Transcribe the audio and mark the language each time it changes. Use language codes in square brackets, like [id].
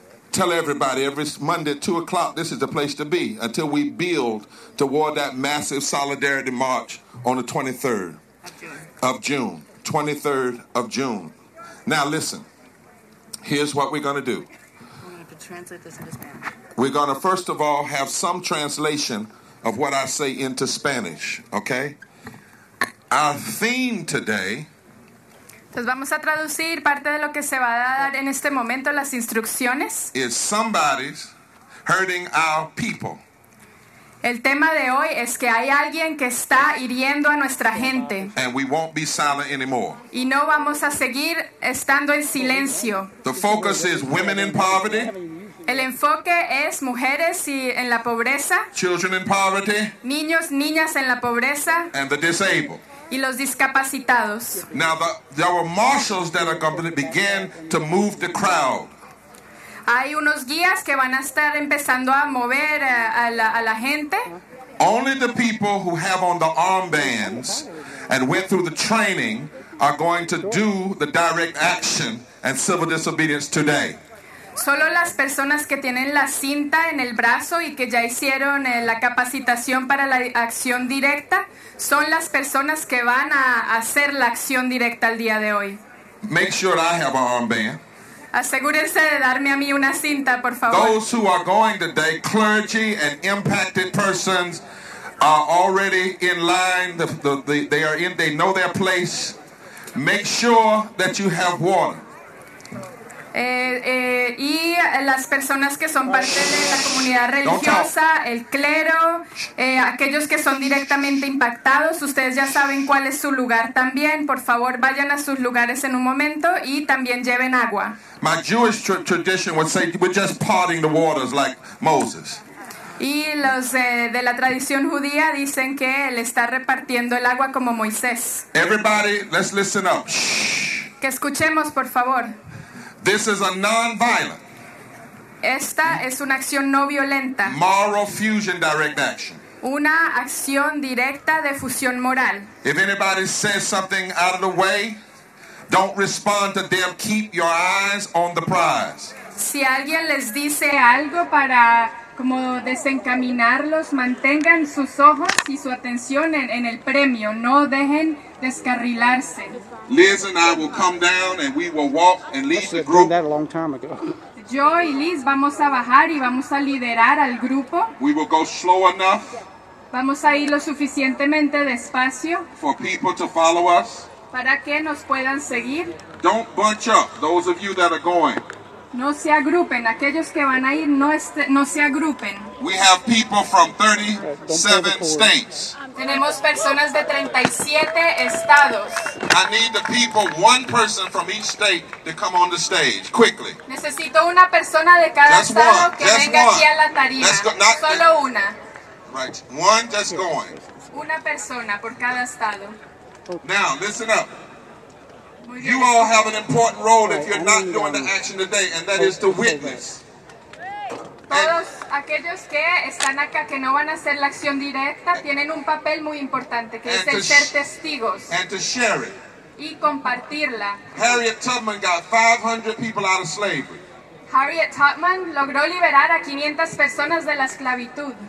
[en] Tell everybody, every Monday at 2 o'clock, this is the place to be until we build toward that massive solidarity march on the 23rd of June. 23rd of June. Now, listen. Here's what we're going to do. We're going to translate this into Spanish. We're going to, first of all, have some translation of what I say into Spanish, okay? Our theme today... [es] Entonces vamos a traducir parte de lo que se va a dar en este momento, las instrucciones. [en] Is somebody's hurting our people. [es] El tema de hoy es que hay alguien que está hiriendo a nuestra gente. [en] And we won't be silent anymore. [es] Y no vamos a seguir estando en silencio. [en] The focus is women in poverty. [es] El enfoque es mujeres y en la pobreza. [en] Children in poverty. [es] Niños, niñas en la pobreza. [en] And the disabled. [es] Y los discapacitados. [en] Now there were marshals that are going to begin to move the crowd. [es] Hay unos guías que van a estar empezando a mover a la gente. [en] Only the people who have on the armbands and went through the training are going to do the direct action and civil disobedience today. [es] Solo las personas que tienen la cinta en el brazo y que ya hicieron la capacitación para la acción directa son las personas que van a hacer la acción directa el día de hoy. [en] Make sure I have an armband. [es] Asegúrense de darme a mí una cinta, por favor. [en] Those who are going today, clergy and impacted persons, are already in line. They know their place. Make sure that you have water. [es] Y las personas que son parte de la comunidad religiosa, el clero, aquellos que son directamente impactados, ustedes ya saben cuál es su lugar también. Por favor, vayan a sus lugares en un momento y también lleven agua. [en] My Jewish tradition would say we're just parting the waters like Moses. [es] Y los de la tradición judía dicen que él está repartiendo el agua como Moisés. [en] Everybody, let's listen up. [es] Que escuchemos, por favor. [en] This is a non-violent. [es] Esta es una acción no violenta. [en] Moral fusion direct action. [es] Una acción directa de fusión moral. [en] If anybody says something out of the way, don't respond to them. Keep your eyes on the prize. [es] Si alguien les dice algo para como desencaminarlos, mantengan sus ojos y su atención en el premio. No dejen descarrilarse. [en] Liz and I will come down and we will walk and lead the group. That a long time ago. [es] Yo y Liz vamos a bajar y vamos a liderar al grupo. [en] We will go slow enough. [es] Vamos a ir lo suficientemente despacio. [en] For people to follow us. [es] Para que nos puedan seguir. [en] Don't bunch up, those of you that are going. [es] No se agrupen, aquellos que van a ir, no se agrupen. [en] We have people from 37 states. [es] Tenemos personas de 37 estados. [en] I need the people, one person from each state, to come on the stage, quickly. [es] Necesito una persona de cada estado que venga aquí a la tarima. Solo una. [en] Right, one that's going. [es] Una persona por cada estado. [en] Now, listen up. You all have an important role if you're not doing the action today, and that is to witness. [es] Todos aquellos que están acá que no van a hacer la acción directa tienen un papel muy importante, que es el ser testigos. [en] And to share it. [es] Y compartirla. [en] Harriet Tubman got 500 people out of slavery. [es] Harriet Tubman logró liberar a 500 personas de la esclavitud.